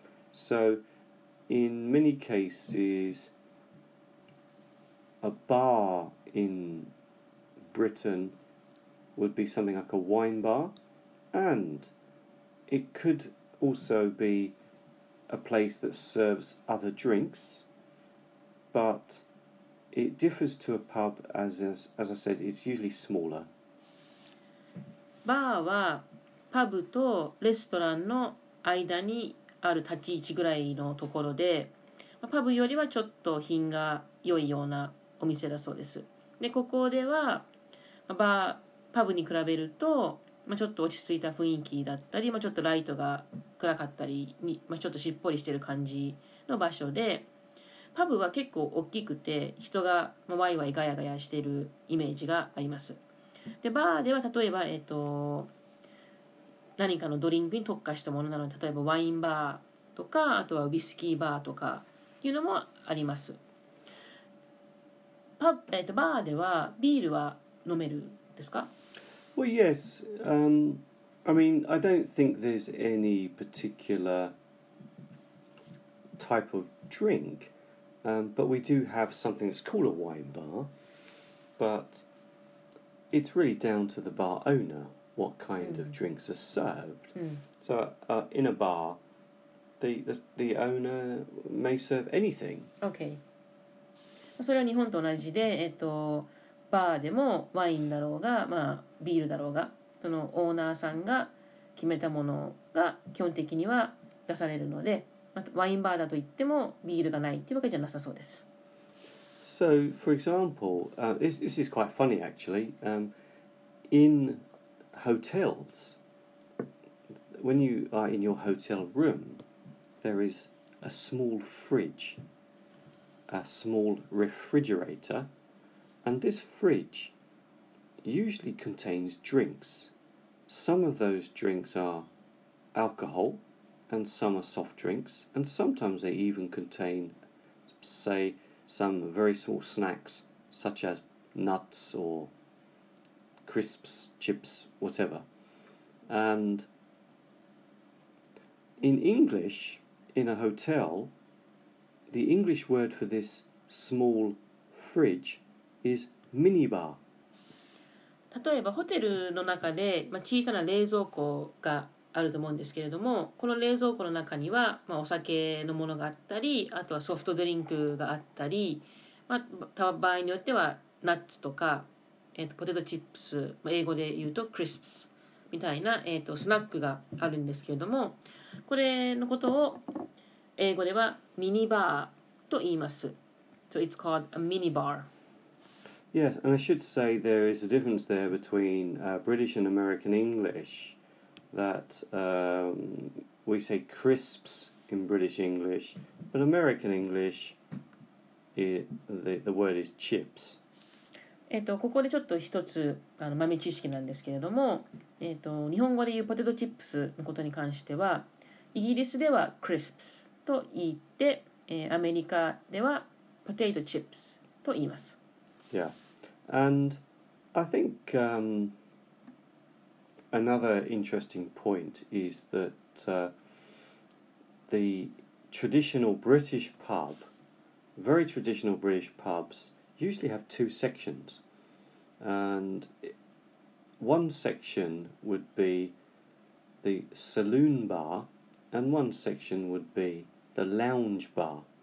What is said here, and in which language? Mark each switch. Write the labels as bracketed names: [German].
[English] So in many cases, a bar in Britain would be something like a wine bar, and it could also be a place that serves other drinks, but it differs to a pub, as I said, it's usually smaller. [Japanese] バーはパブとレストランの間にある立ち位置ぐらいのところで、パブよりはちょっと品が良いようなお店だそうです。で、ここではバー、パブに比べると、まあ、ちょっと落ち着いた雰囲気だったり、まあ、ちょっとライトが暗かったりに、まあ、ちょっとしっぽりしてる感じの場所で、パブは結構大きくて人がワイワイガヤガヤしてるイメージがあります。でバーでは例えば、何かのドリンクに特化したものなので、例えばワインバーとか、あとはウイスキーバーとかいうのもあります。パブ、バーではビールは飲めるですか？ [English] Well, yes. I mean, I don't think there's any particular type of drink, but we do have something that's called a wine bar. But it's really down to the bar owner what kind of drinks are served. Mm. So in a bar, the owner may serve anything. Okay. [Japanese] それは日本と同じで、バーでもワインだろうが、まあ、ビールだろうが、そのオーナーさんが決めたものが基本的には出されるので、まあ、ワインバーだと言ってもビールがないっていうわけじゃなさそうです。 [English] So, for example, this is quite funny actually. In hotels, when you are in your hotel room, there is a small fridge, a small refrigerator. And this fridge usually contains drinks. Some of those drinks are alcohol, and some are soft drinks, and sometimes they even contain, say, some very small snacks, such as nuts or crisps, chips, whatever. And in English, in a hotel, the English word for this small fridge is mini bar. [Japanese] 例えばホテルの中で、まあ、小さな冷蔵庫があると思うんですけれども、この冷蔵庫の中には、まあ、お酒のものがあったり、あとはソフトドリンクがあったり、まあ、場合によってはナッツとか、ポテトチップス、まあ、英語で言うとクリスプスみたいな、スナックがあるんですけれども、これのことを英語ではミニバーと言います。 [English] So it's called a mini bar Yes, and I should say there is a difference there between British and American English, that we say crisps in British English, but American English, the word is chips. [Japanese] ここでちょっと一つ豆知識なんですけれども、日本語で言うポテトチップスのことに関しては、イギリスではクリスプスと言って、アメリカではポテトチップスと言います。 [English] Yeah. And I think another interesting point is that the traditional British pub, very traditional British pubs, usually have two sections, and one section would be the saloon bar and one section would be the lounge bar.